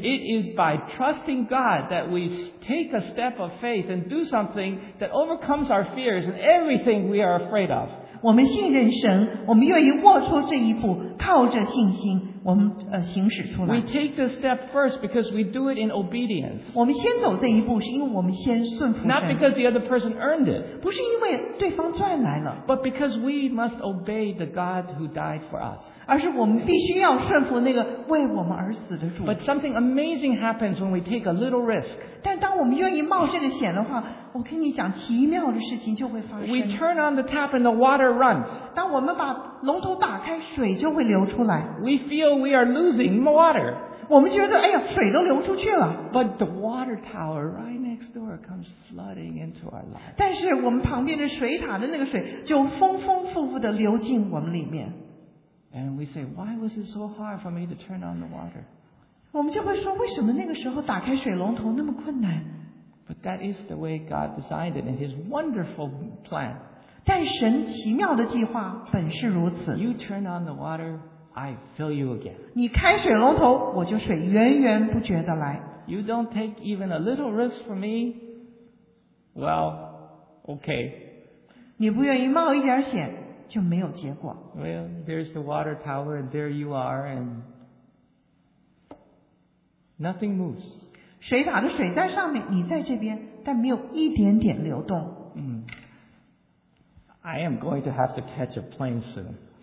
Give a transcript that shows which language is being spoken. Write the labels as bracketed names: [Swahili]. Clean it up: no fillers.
[English] It is by trusting God that we take a step of faith and do something that overcomes our fears and everything we are afraid of. [Chinese] 我们信任神，我们愿意握出这一步，靠着信心，我们行使出来。 [English] We take the step first because we do it in obedience. [Chinese] 我们先走这一步，是因为我们先顺服神。 [English] Not because the other person earned it. [Chinese] 不是因为对方赚来了。 [English] But because we must obey the God who died for us. [Chinese] 而是我们必须要顺服那个为我们而死的主。 [English] But something amazing happens when we take a little risk. [Chinese] 但当我们愿意冒这个险的话，我跟你讲，奇妙的事情就会发生。 [English] We turn on the tap and the water runs. [Chinese] 当我们把龙头打开，水就会流出来。 [English] We feel we are losing water. [Chinese] 我们觉得，哎呀，水都流出去了。 [English] But the water tower right next door comes flooding into our life. [Chinese] 但是我们旁边的水塔的那个水就丰丰富富的流进我们里面。 [English] And we say, why was it so hard for me to turn on the water? [Chinese] 我们就会说，为什么那个时候打开水龙头那么困难？ [English] But that is the way God designed it in His wonderful plan. [Chinese] 但神奇妙的计划本是如此。 [English] You turn on the water, I fill you again. [Chinese] 你开水龙头，我就水源源不绝的来。 [English] You don't take even a little risk for me. Well, okay. [Chinese] 你不愿意冒一点险，就没有结果。 [English] Well, there's the water tower, and there you are, and nothing moves. [Chinese] 水塔的水在上面，你在这边，但没有一点点流动。 [English] I am going to have to catch a plane soon.